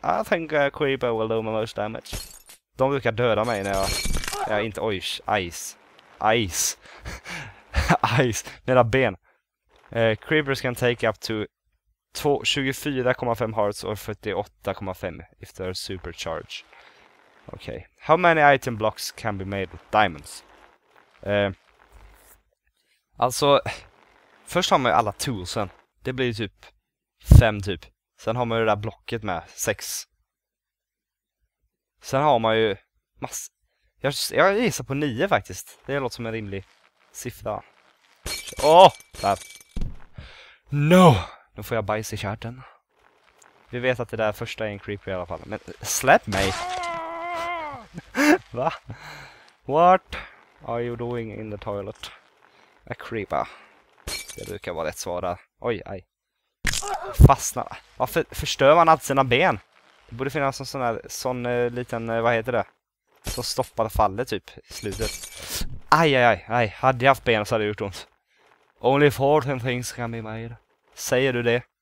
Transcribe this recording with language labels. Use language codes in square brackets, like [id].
[en] I think a creeper will do most damage. [sv] De brukar döda mig när jag inte... Oj, ice. Ice. Mina ben. [en] Creepers can take up to 24,5 hearts or 48,5 if they're supercharged. Okay. How many item blocks can be made with diamonds? [sv] Alltså, först har man ju alla toolsen. Det blir typ 5 typ. Sen har man ju det där blocket med 6. Sen har man ju mass... Jag gissar på 9 faktiskt. Det låter som en rimlig siffra. Åh! Där. No! Nu får jag bajs i kärten. Vi vet att det där första är en creeper i alla fall. Men släpp mig! Va? [en] What are you doing in the toilet? A creeper. [sv] Det brukar vara rätt svar där. Oj, aj. Fastna. Varför förstör man alltid sina ben? Det borde finnas en sån liten, vad heter det? Som stoppar fallet typ i slutet. Aj. Hade jag haft ben så hade det gjort ont. [en] Only 14 things can be made. [sv] Säger du det?